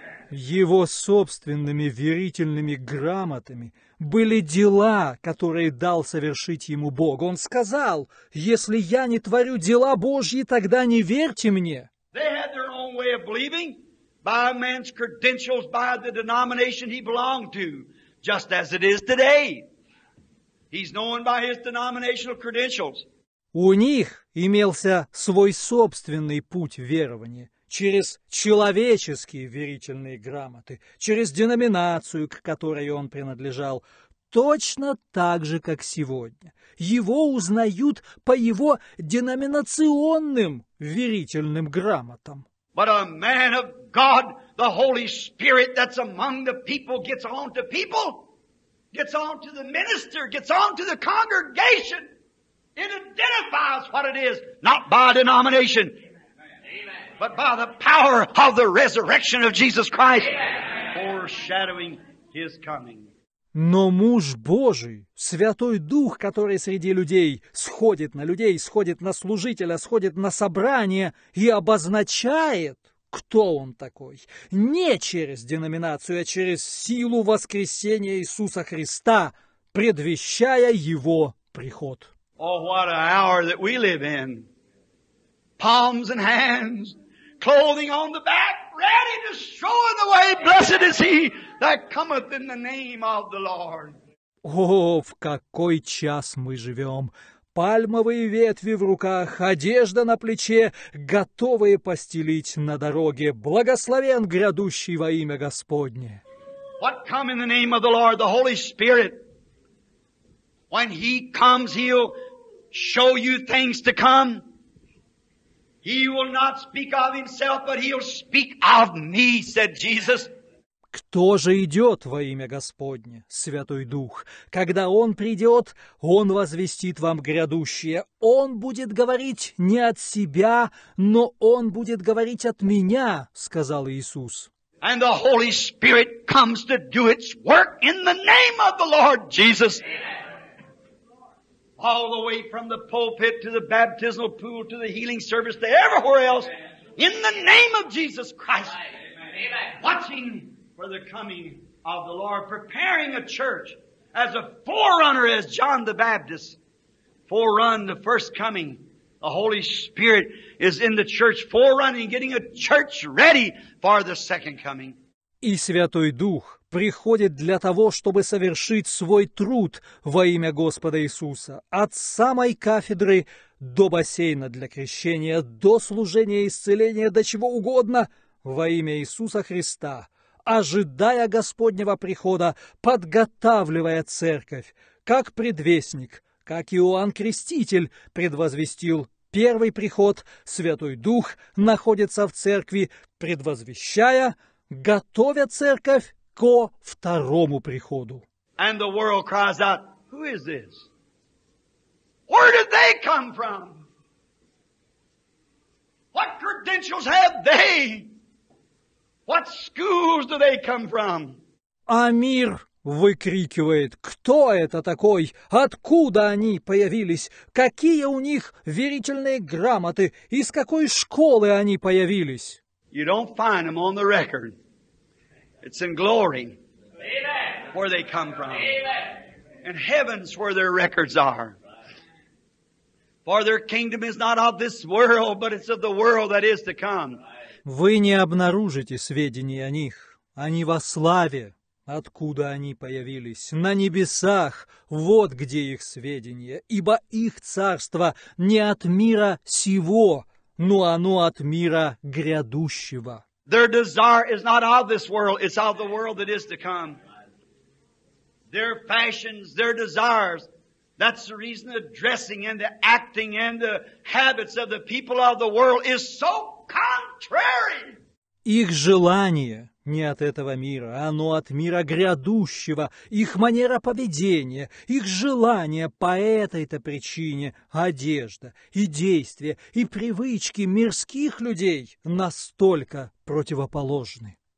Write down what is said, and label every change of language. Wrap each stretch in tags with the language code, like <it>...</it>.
<ru>Его собственными верительными грамотами были дела, которые дал совершить ему Бог. Он сказал, если я не творю дела Божьи, тогда не верьте мне.</ru> <en>They had their own way of believing. By a man's credentials, by the denomination he belonged to, just as it is today. He's known by his denominational credentials.</en> <ru>У них имелся свой собственный путь верования через человеческие верительные грамоты, через деноминацию, к которой он принадлежал, точно так же, как сегодня. Его узнают по его деноминационным верительным грамотам.</ru> <en>But a man of God, the Holy Spirit that's among the people, gets on to the minister, gets on to the congregation. It identifies what it is, not by denomination, but by the power of the resurrection of Jesus Christ, foreshadowing His coming.</en> <ru>Но муж Божий, Святой Дух, который среди людей сходит на людей, сходит на служителя, сходит на собрание и обозначает, кто он такой, не через деноминацию, а через силу воскресения Иисуса Христа, предвещая Его приход.</ru> <en>Oh, what an hour that we live in. Palms and hands, clothing on the back, ready to show in the way. Blessed is he that cometh in the name of the Lord.</en> <ru>О, в какой час мы живем! Пальмовые ветви в руках, одежда на плече, готовые постелить на дороге. Благословен грядущий во имя Господне.</ru> <en>What come in the name of the Lord, the Holy Spirit? When he comes, he'll show you things to come. He will not speak of himself, but he'll speak of me, said Jesus.</en> <ru>Кто же идет во имя Господне, Святой Дух? Когда Он придет, Он возвестит вам грядущее. Он будет говорить не от Себя, но Он будет говорить от Меня, сказал Иисус.</ru> <en>And the Holy Spirit comes to do its work in the name of the Lord Jesus. All the way from the pulpit to the baptismal pool to the healing service to everywhere else in the name of Jesus Christ. Watching for the coming of the Lord, preparing a church as a forerunner as John the Baptist. Forerun the first coming. The Holy Spirit is in the church forerunning, getting a church ready for the second coming.</en> <ru>И Святой Дух приходит для того, чтобы совершить свой труд во имя Господа Иисуса. От самой кафедры до бассейна для крещения, до служения исцеления, до чего угодно во имя Иисуса Христа. Ожидая Господнего прихода, подготавливая церковь, как предвестник, как Иоанн Креститель предвозвестил первый приход, Святой Дух находится в церкви, предвозвещая, готовя церковь ко второму приходу.</ru> <en>And the world cries out, who is this? Where did they come from? What credentials have they? What schools do they come from?</en> <ru>А мир выкрикивает, кто это такой, откуда они появились, какие у них верительные грамоты, из какой школы они появились?</ru> <en>You don't find them on the record. It's in glory where they come from. In heaven's where their records are. For their kingdom is not of this world, but it's of the world that is to come.</en> <ru>Вы не обнаружите сведений о них. Они во славе, откуда они появились. На небесах, вот где их сведения. Ибо их царство не от мира сего, но оно от мира грядущего.</ru> <en>Their desire is not of this world, it's of the world that is to come. Their passions, their desires, that's the reason the dressing and the acting and the habits of the people of the world is so contrary.</en> <ru>Их желание не от этого мира, оно от мира грядущего. Их манера поведения, их желание по этой-то причине, одежда и действия и привычки мирских людей настолько противоположны.</ru>